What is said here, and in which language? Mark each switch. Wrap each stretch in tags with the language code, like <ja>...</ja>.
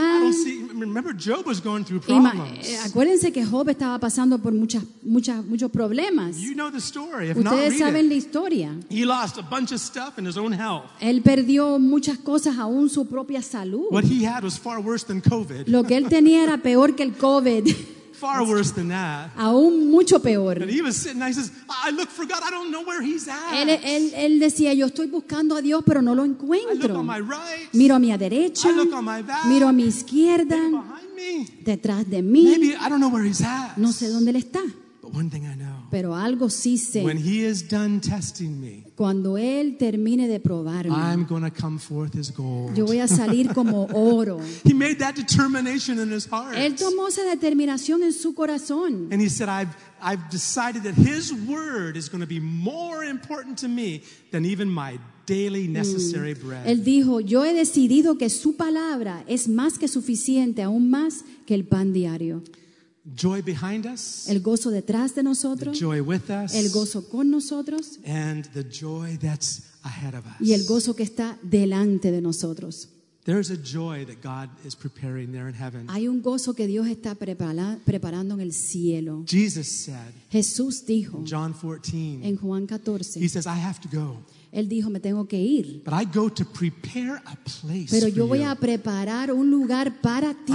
<en>I don't see, remember, Job was going through problems.</en> <es>Acuérdense que Job estaba pasando por muchos problemas.</es> <en>You know the story. If</en> <es>Ustedes saben</es> <en>it.</en> <es>La historia.</es> <en>He lost a bunch of stuff in his own health.</en> <es>Él perdió muchas cosas, aún su propia salud.</es> <en>What he had was far worse than COVID.</en> <es>Lo que él tenía era peor que el COVID.</es> <en>Far worse than that.</en> <es>Aún mucho peor.</es> <en>And he was sitting there, he says, I look for God, I don't know where he's at.</en> <es>Él decía, yo estoy buscando a Dios, pero no lo encuentro.</es> <en>I look on my right.</en> <es>Miro a mi derecha.</es> <en>I look on my back.</en> <es>Miro a mi izquierda.</es> <en>And behind me.</en> <es>Detrás de mí.</es> <en>Maybe I don't know where he's at.</en> <es>No sé dónde él está.</es> <en>But one thing I know.</en> <es>Pero algo sí sé.</es> <en>When he is done testing me.</en> <es>Cuando él termine de probarme,</es> <en>I'm going to come forth as gold.</en> <es>Yo voy a salir como oro.</es> <en>He made that determination in his heart.</en> <es>Él tomó esa determinación en su corazón.</es> <en>And he said, I've decided that his word is going to be more important to me than even my daily necessary bread.</en> <es>Él dijo, yo he decidido que su palabra es más que suficiente, aún más que el pan diario.</es> <en>Joy behind us,</en> <es>el gozo detrás de nosotros,</es> <en>the joy with us,</en> <es>el gozo con nosotros,</es> <en>and the joy that's ahead of us.</en> <es>Y el gozo que está delante de nosotros.</es> <en>There's a joy that God is preparing there in heaven.</en> <es>Hay un gozo que Dios está preparando en el cielo.</es> <en>Jesus said,</en> <es>Jesús dijo,</es> <en>in John 14,</en> <es>en Juan 14,</es> <en>He says, I have to go.</en> <es>Él dijo, me tengo que ir.</es> <en>But I go to prepare a place.</en> <es>Pero yo voy a preparar un lugar para ti.</es>